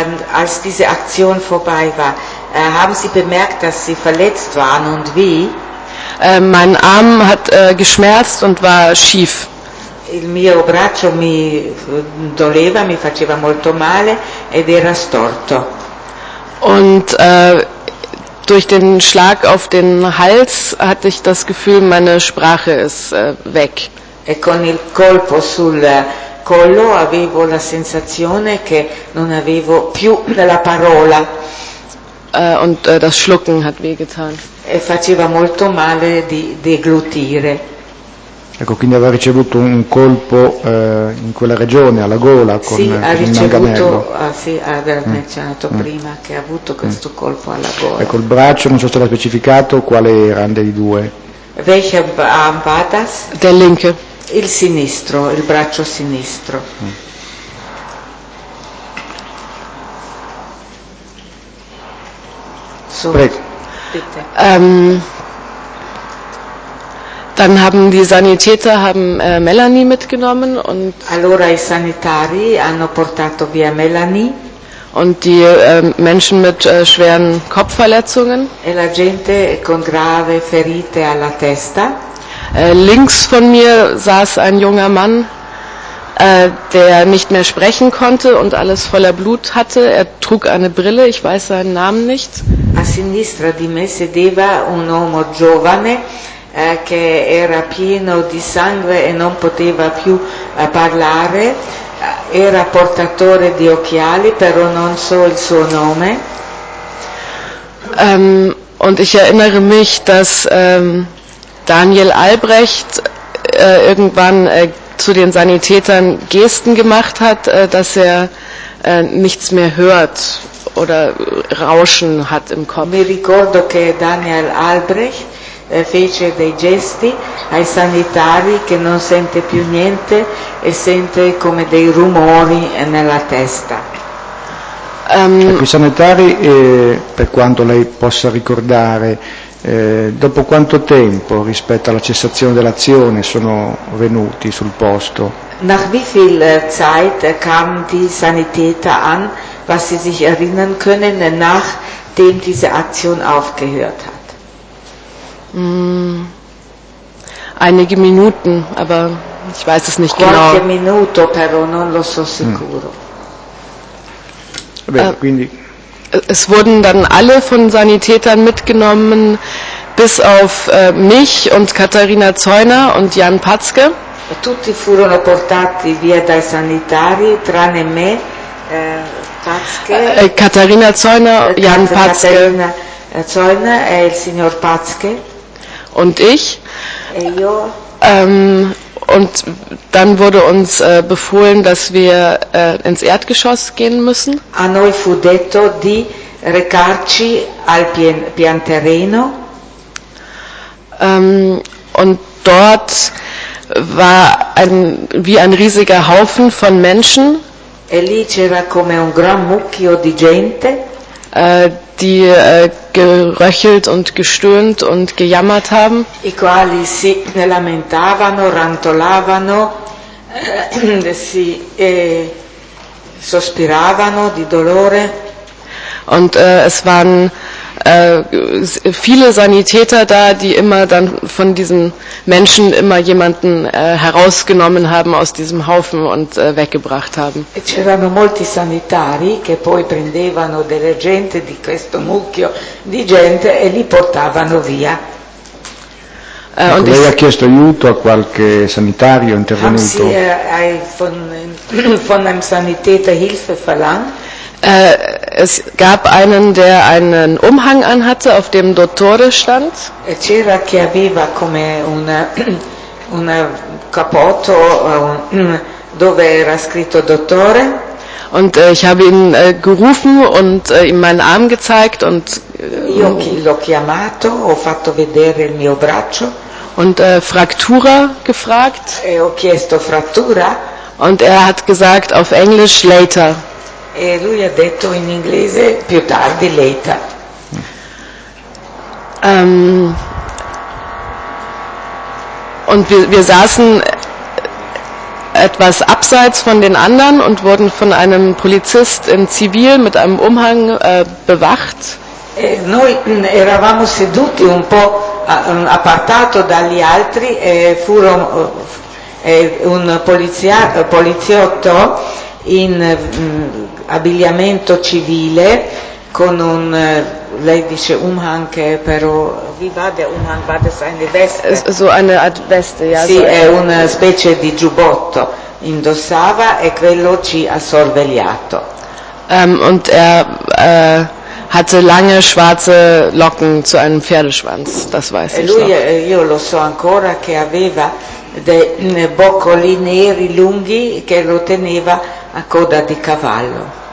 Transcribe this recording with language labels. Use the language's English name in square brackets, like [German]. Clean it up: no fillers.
[German] Als diese Aktion vorbei war, haben Sie bemerkt, dass Sie verletzt waren und wie? Mein Arm hat geschmerzt und war schief. [Italian] Il mio braccio mi doleva, mi faceva molto male ed era storto. [German] Und durch den Schlag auf den Hals hatte ich das Gefühl, meine Sprache ist weg. [Italian] E con il colpo sul collo avevo la sensazione che non avevo più la parola. [German] Und das Schlucken hat wehgetan. [Italian] E faceva molto male di deglutire. Ecco, quindi aveva ricevuto un colpo in quella regione, alla gola, con il manganello. Sì, aveva menzionato prima che ha avuto questo colpo alla gola. Ecco, il braccio, non so se l'ha specificato, quale era dei due? [German] Welcher Arm war das? Der linke. [Italian] Il sinistro, il braccio sinistro. So, prego. [German] Bitte. Dann haben die Sanitäter haben Melanie mitgenommen und [Italian] allora i sanitari hanno portato via Melanie [German] und die Menschen mit schweren Kopfverletzungen [Italian] e la gente con grave ferite alla testa. [German] Links von mir saß ein junger Mann, der nicht mehr sprechen konnte und alles voller Blut hatte. Er trug eine Brille, ich weiß seinen Namen nicht. [Italian] A sinistra di me sedeva un uomo giovane che era pieno di sangue e non poteva più parlare, era portatore di occhiali, però non so il suo nome. [German] Und ich erinnere mich, dass Daniel Albrecht irgendwann zu den Sanitätern Gesten gemacht hat, dass er nichts mehr hört oder Rauschen hat im Kopf. [Italian] Mi ricordo che Daniel Albrecht fece dei gesti ai sanitari che non sente più niente e sente come dei rumori nella testa. I sanitari, per quanto lei possa ricordare, dopo quanto tempo rispetto alla cessazione dell'azione sono venuti sul posto? [German] Nach wie viel Zeit kam die Sanitäter an, was sie sich erinnern können, nachdem diese Aktion aufgehört hat? Einige Minuten, aber ich weiß es nicht [Italian] qualche [German] genau. [Italian] Qualche minuto, però non lo so sicuro. Quindi [German] es wurden dann alle von Sanitätern mitgenommen, bis auf mich und Katharina Zeuner und Jan Patzke. [Italian] Tutti furono portati via dai sanitari, tranne me, Patzke. Katharina Zeuner, Jan Patzke. Katharina Zeuner e il signor Patzke. [German] Und ich. [Italian] E io. [German] Und dann wurde uns befohlen, dass wir ins Erdgeschoss gehen müssen. [Italian] A noi fu detto di recarci al pian terreno. [German] Und dort war wie ein riesiger Haufen von Menschen. [Italian] E lì c'era come un gran mucchio di gente. [German] Die geröchelt und gestöhnt und gejammert haben. [Italian] I quali si lamentavano, rantolavano, si sospiravano di dolore. [German] Und es waren viele Sanitäter da, die immer dann von diesen Menschen immer jemanden herausgenommen haben aus diesem Haufen und weggebracht haben. [Italian] C'erano molti sanitari che poi prendevano delle gente di questo mucchio di gente e li portavano via. [German] Und [Italian] lei ha chiesto aiuto a qualche sanitario intervenuto? [German] Haben Sie von einem Sanitäter Hilfe verlangt? Es gab einen, der einen Umhang anhatte, auf dem Dottore stand. [Italian] C'era chi aveva come un capotto dove era scritto dottore. [German] Und ich habe ihn gerufen und ihm meinen Arm gezeigt und [Italian] io l'ho chiamato, ho fatto vedere il mio braccio [German] und Fraktura gefragt. [Italian] E ho chiesto frattura. [German] Und er hat gesagt auf Englisch later. [Italian] E lui ha detto in inglese più tardi later. [German] Und wir saßen etwas abseits von den anderen und wurden von einem Polizist in Zivil mit einem Umhang bewacht. [Italian] Noi eravamo seduti un po' appartato dagli altri e furono un poliziotto in abbigliamento civile con un lei dice Umhang però [German] wie war der Umhang war das eine Weste so eine Art Weste ja [Italian] sì è una specie di giubbotto indossava e quello ci ha sorvegliato [German] und er hatte lange schwarze Locken zu einem Pferdeschwanz, das weiß ich [Italian] lui, [German] noch. [Italian] Io lo so ancora che aveva dei boccoli neri lunghi che lo teneva a coda di cavallo.